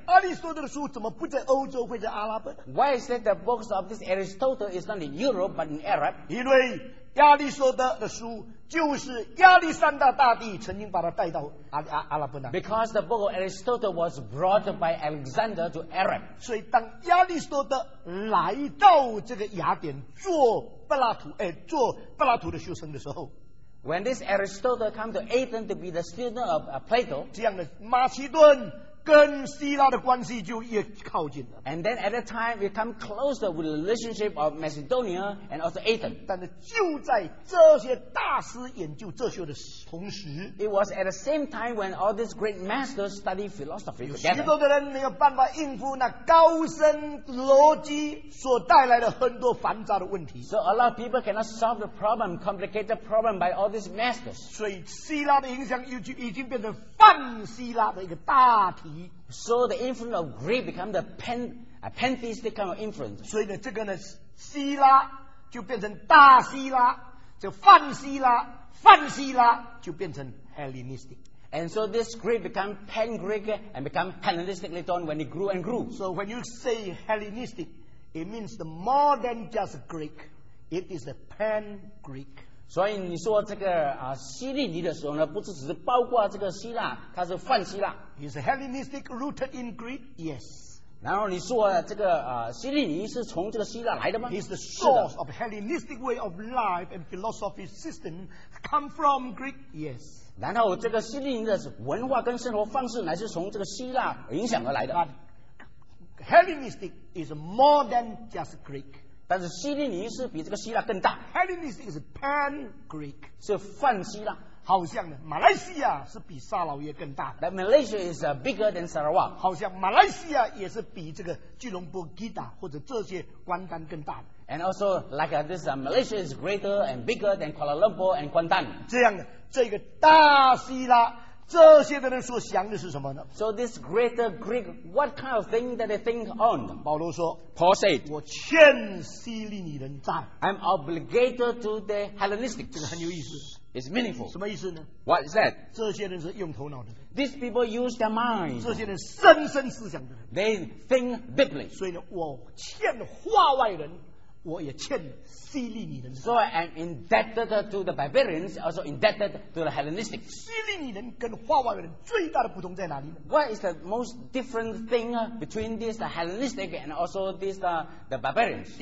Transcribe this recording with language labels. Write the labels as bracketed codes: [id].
[zh] 阿里士多德的书怎么不在欧洲，会在阿拉伯？ [en] Why is that the books of this Aristotle is not in Europe, but in Arab? [zh] 因为亚历士多德的书就是亚历山大大帝曾经把他带到 阿拉伯那。 [en] Because the book of Aristotle was brought by Alexander to Arab. [zh] 所以当亚历士多德来到这个雅典做柏拉图，做柏拉图的学生的时候 [en] ，When this Aristotle come to Athens to be the student of Plato， [zh] 这样的马其顿跟希腊的关系就越靠近了。 [en] And then at that time we come closer with the relationship of Macedonia and also Athens。 [zh] 但是就在这些大师研究哲学的同时 [en] ，It was at the same time when all these great masters study philosophy together。 [zh] 许多的人没有办法应付那高深逻辑所带来的很多繁杂的问题。 [en] So a lot of people cannot solve the problem, complicated problem by all these masters。 [zh] 所以希腊的影响已经变成泛希腊的一个大体。 [en] So the influence of Greek become the pantheistic kind of influence. [zh] 所以呢，这个呢，希腊就变成大希腊，这泛希腊，泛希腊就变成 Hellenistic. [en] And so this Greek become pan-Greek and become Hellenistic later on when it grew and grew. So when you say Hellenistic, it means the more than just Greek, it is the pan-Greek. [zh] 所以你说这个希利尼的时候呢，不是只是包括这个希腊，它是泛希腊。 [en] Is Hellenistic rooted in Greek? Yes. [zh] 然后你说这个希利尼是从这个希腊来的吗 [en] ？Is the source of Hellenistic way of life and philosophy system come from Greek? Yes. [zh] 然后这个希利尼的文化跟生活方式乃是从这个希腊影响而来的。 [en] But Hellenistic is more than just Greek. [zh] 但是希利尼是比这个希腊更大。 [en] Hellenistic is pan Greek， [zh] 是泛希腊。好像呢，马来西亚是比沙劳越更大。 [en] That Malaysia is bigger than Sarawak。 [zh] 好像马来西亚也是比这个吉隆坡、Kedah 或者这些关丹更大。 [en] And also like this, Malaysia is greater and bigger than Kuala Lumpur and Kuantan。 [zh] 这样的这个大希腊。这些的人所想的是什么呢 [en] ？So this greater Greek, what kind of thing that they think on？ [zh] 保罗说 [en] ，Paul said， [zh] 我欠希利尼人债。 [en] I'm obligated to the Hellenistic。 [zh] 这个很有意思。 [en] It's meaningful。 [zh] 什么意思呢 [en] ？What is that？ [zh] 这些人是用头脑的人。 [en] These people use their mind。 [zh] 这些人深深思想的人。 [en] They think deeply。 [zh] 所以呢，我欠话外人，我也欠希利尼人。 [en] So I am indebted to the barbarians, also indebted to the Hellenistic. [zh] 希利尼人跟化外人最大的不同在哪里呢？ [en] What is the most different thing between this Hellenistic and also this the barbarians?